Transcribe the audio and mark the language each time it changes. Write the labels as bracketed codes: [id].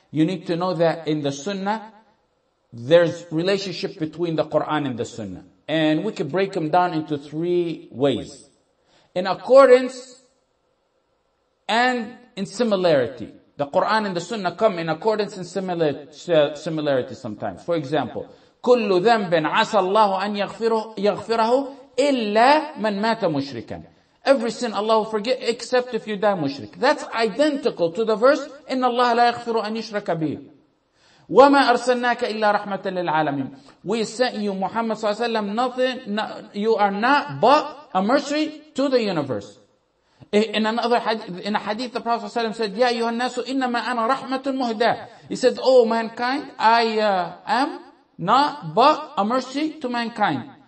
[en] You need to know that in the Sunnah, there's relationship between the Quran and the Sunnah. And we can break them down into three ways. In accordance and in similarity. The Quran and the Sunnah come in accordance and similarity sometimes. For example, [ar] كُلُّ ذَنْبٍ عَسَى اللَّهُ أَنْ يَغْفِرَهُ إِلَّا مَنْ مَاتَ مُشْرِكًا. [en] Every sin Allah will forget except if you die mushrik. That's identical to the verse, [ar] إِنَّ اللَّهَ لَا يَغْفِرُ أَنْ يُشْرَكَ بِهِ. وَمَا أَرْسَلْنَاكَ إِلَّا رَحْمَةً لِلْعَالَمِينَ. [en] We sent you, Muhammad sallallahu alayhi wa sallam, nothing, you are not but a mercy to the universe. In another hadith, in a hadith, the Prophet ﷺ said, [ar] "Ya ayyuhan nasu, innama ana rahmatun muhda." [en] He said, "Oh mankind, I am not but a mercy to mankind."